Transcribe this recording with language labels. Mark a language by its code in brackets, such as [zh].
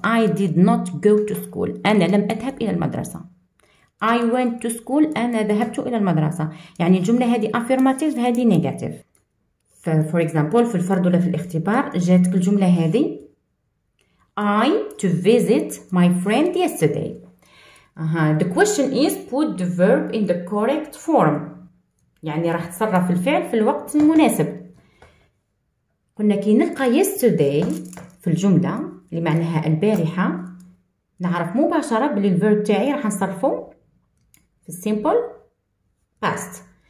[en] I did not go to school. [ar] أنا لم أذهب إلى المدرسة. [en] I went to school. [ar] أنا ذهبت إلى المدرسة. يعني الجملة هذه affirmative، هذه negative. [en] For example، [ar] في الفرد ولا في الاختبار جات الجملة هذه. [en] I to visit my friend yesterday. The question is put the verb in the correct form. [ar] يعني راح تصرف الفعل في الوقت المناسب. قلنا كي نلقى yesterday في الجملة اللي معناها البارحة، نعرف مباشرة بلي الفيرب تاعي راح نصرفه في [en] السيمبل باست.